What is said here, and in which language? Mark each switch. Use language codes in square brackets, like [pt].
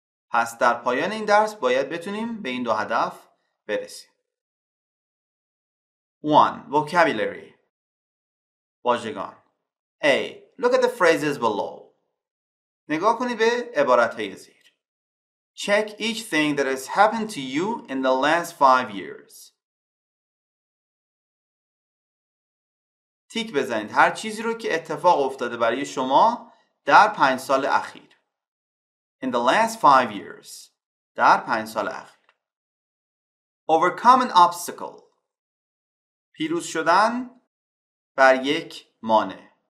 [fa] پس در پایان این درس باید بتونیم به این دو هدف برسیم. [en] 1. Vocabulary. [fa] واژگان. [en] A. Look at the phrases below. [fa] نگاه کنید به عبارات‌های زیر. [en] Check each thing that has happened to you in the last 5 years. [fa] تیک بزنید هر چیزی رو که اتفاق افتاده برای شما در 5 سال اخیر. [en] In the last 5 years. [fa] در 5 سال اخیر. [en] Overcome an obstacle. [fa] پیروز شدن بر یک مانع.